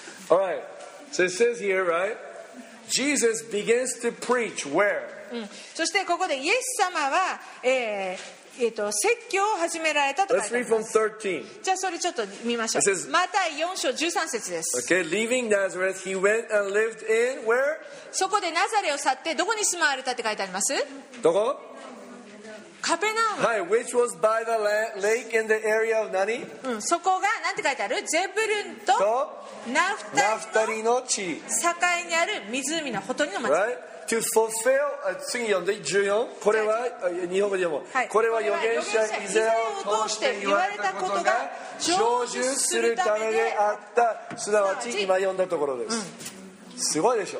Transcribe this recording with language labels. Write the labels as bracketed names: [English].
[English] All right. So it says here, right? Jesus begins to preach where? [Japanese] そしてここでイエス様は、説教を始められたと書いてあります。じゃあそれちょっと見ましょう。 [English] Says, [Japanese] マタイ4章13節です。 [English] Okay, leaving Nazareth, he went and lived in where? [Japanese] そこでナザレを去ってどこに住まわれたって書いてあります。どこ？カペナウム。はい、 [English] which was by the lake in the area of [Japanese] 何？そこがなんて書いてある？ゼブルンとナフタリの地、境にある湖のほとりの町。 [English] Right? To fulfill, [Japanese] 次読んで14、これは日本語でも、はい、これは預言者イザヤを通して言われたことが成就するためであった、すなわち今読んだところです、うん、すごいでしょ、